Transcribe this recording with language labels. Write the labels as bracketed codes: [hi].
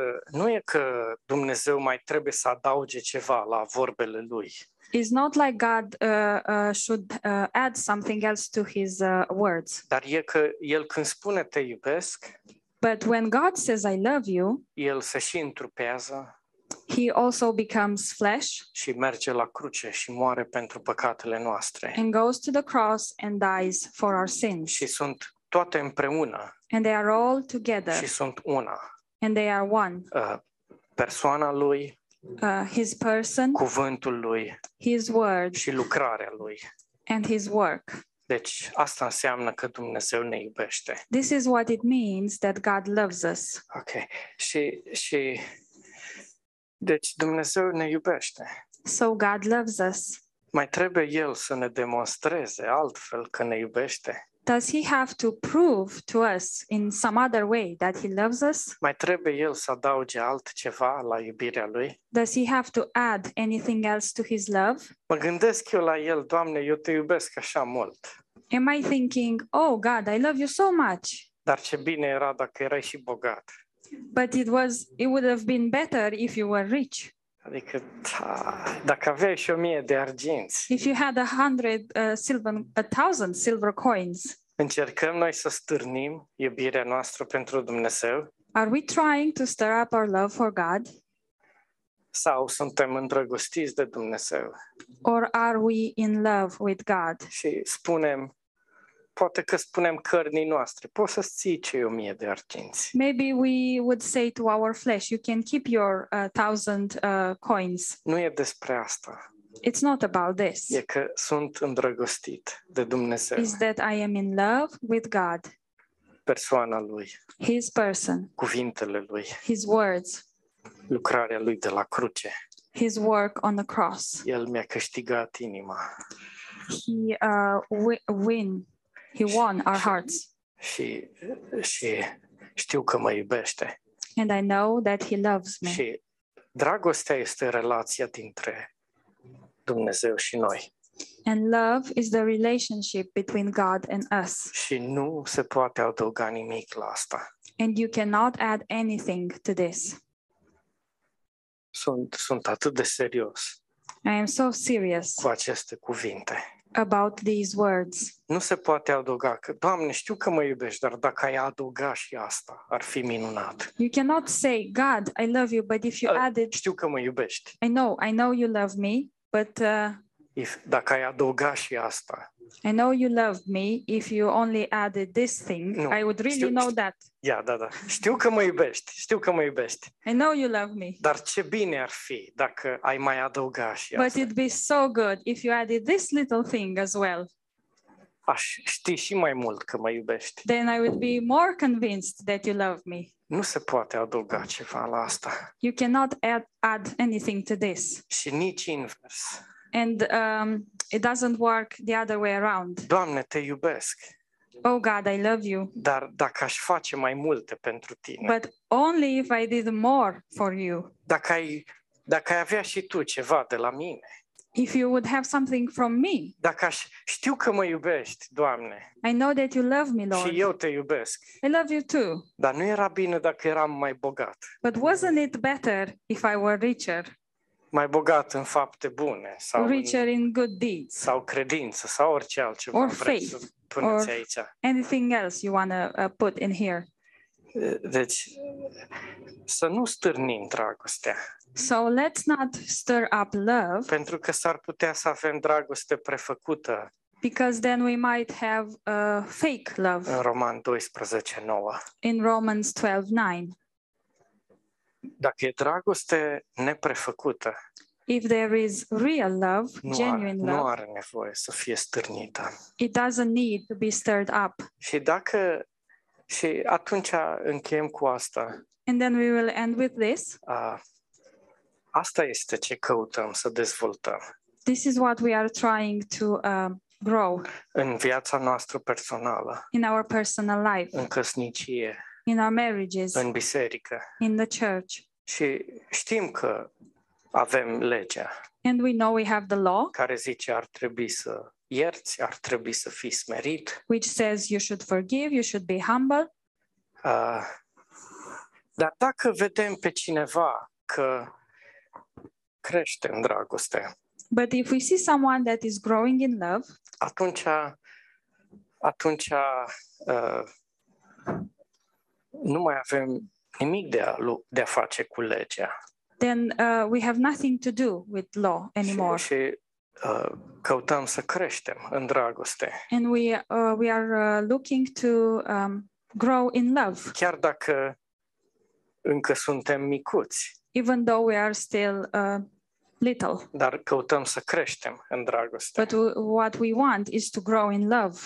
[ro] nu e că Dumnezeu mai trebuie să adauge ceva la vorbele lui. [en] It's not like God should add something else to his words. [ro] Dar e că el când spune te iubesc, [en] but when God says I love you, [ro] el se și întrupează. [en] He also becomes flesh. [ro] Și merge la cruce și moare pentru păcatele noastre. [en] And goes to the cross and dies for our sins. [ro] Și sunt toate împreună. [en] And they are all together. [ro] Și sunt una. [en] And they are one. [ro] Persoana lui. [en] His person. [ro] Cuvântul lui. [en] His word. [ro] Și lucrarea lui. [en] And his work. [ro] Deci asta înseamnă că Dumnezeu ne iubește. [en] This is what it means that God loves us. Okay. [ro] Și deci Dumnezeu ne iubește. [en] So God loves us. [ro] Mai trebuie el să ne demonstreze altfel că ne iubește? [en] Does he have to prove to us in some other way that he loves us? [ro] Mai trebuie el să adauge altceva la iubirea lui? [en] Does he have to add anything else to his love? [ro] Mă gândesc eu la el, Doamne, eu te iubesc așa mult. [en] Am I thinking, oh God, I love you so much. [ro] Dar ce bine era dacă erai și bogat. [en] But it would have been better if you were rich. [ro] Adică, dacă aveai și 1000 de arginți. [en] If you had 1000 silver coins. [ro] Încercăm noi să stârnim iubirea noastră pentru Dumnezeu? [en] Are we trying to stir up our love for God? [ro] Sau suntem îndrăgostiți de Dumnezeu? [en] Or are we in love with God? [ro] Și spunem, poate că spunem cărnii noastre, poți să-ți ții cei 1000 de arginți. [en] Maybe we would say to our flesh, you can keep your 1000 coins. [ro] Nu e despre asta. [en] It's not about this. [ro] E că sunt îndrăgostit de Dumnezeu. [en] Is that I am in love with God. [ro] Persoana lui. [en] His person. [ro] Cuvintele lui. [en] His words. [ro] Lucrarea lui de la cruce. [en] His work on the cross. [ro] El mi-a câștigat inima. [en] He win. He won our hearts. [ro] Și știu că mă iubește. [en] And I know that he loves me. [ro] Și dragostea este relația dintre Dumnezeu și noi. [en] And love is the relationship between God and us. [ro] Și nu se poate adăuga nimic la asta. [en] And you cannot add anything to this. [ro] Sunt atât de serios. [en] I am so serious. [ro] Cu aceste cuvinte. [en] About these words. [ro] Nu se poate adăuga. Doamne, știu că mă iubești, dar dacă ai adăuga și asta, ar fi minunat. [en] You cannot say, God, I love you, but if you added... [ro] Știu că mă iubești. [en] I know you love me, but... [ro] Dacă ai adăuga și asta, [en] I know you love me. If you only added this thing, nu. I would really know that. [ro] Yeah, da, da. Știu că mă iubești. Știu că mă iubești. [en] I know you love me. [ro] Dar ce bine ar fi dacă ai mai adăuga și asta. [en] But it'd be so good if you added this little thing as well. [ro] Aș ști și mai mult că mă iubești. [en] Then I would be more convinced that you love me. [ro] Nu se poate adăuga ceva la asta. [en] You cannot add anything to this. [ro] Și nici invers. [en] And it doesn't work the other way around. [ro] Doamne, te iubesc. [en] Oh God, I love you. [ro] Dar dacă aș face mai multe pentru tine. [en] But only if I did more for you. [ro] Dacă ai avea și tu ceva de la mine. [en] If you would have something from me. [ro] Dacă aș, știu că mă iubești, Doamne. [en] I know that you love me, Lord. [ro] Și eu te iubesc. [en] I love you too. [ro] Dar nu era bine dacă eram mai bogat. [en] But wasn't it better if I were richer? [ro] Mai bogat în fapte bune sau [en] richer in good deeds. [ro] Sau credință sau orice altceva. [en] Or faith. [ro] Puneți aici. [en] Anything else you want to put in here. [ro] Deci, să nu stârnim dragostea. [en] So let's not stir up love. [ro] Pentru că s-ar putea să avem dragoste prefăcută. [en] Because then we might have a fake love. [ro] În Roman 12:9. [en] In Romans 12:9. [ro] Dacă e dragoste neprefăcută. [en] If there is real love, genuine love. [ro] Nu are nevoie să fie stârnită. [en] It doesn't need to be stirred up. [ro] Și dacă și atunci încheiem cu asta. [en] And then we will end with this. [ro] Asta este ce căutăm să dezvoltăm. [en] This is what we are trying to grow. [ro] În viața noastră personală. [en] In our personal life. [ro] În căsnicie. [en] In our marriages. [ro] În biserică. [en] In the church. [ro] Și știm că avem legea. [en] And we know we have the law. [ro] Care zice ar trebui să ierți, ar trebui să fii smerit. [en] Which says you should forgive, you should be humble. [ro] Dar dacă vedem pe cineva că crește în dragoste. [en] But if we see someone that is growing in love, [ro] atunci nu mai avem nimic de a face cu legea. [en] Then we have nothing to do with law anymore. [ro] Și căutăm să creștem în dragoste. [en] And we are looking to grow in love. [ro] Chiar dacă încă suntem micuți. [en] Even though we are still little. [ro] Dar căutăm să creștem în dragoste. [en] But what we want is to grow in love.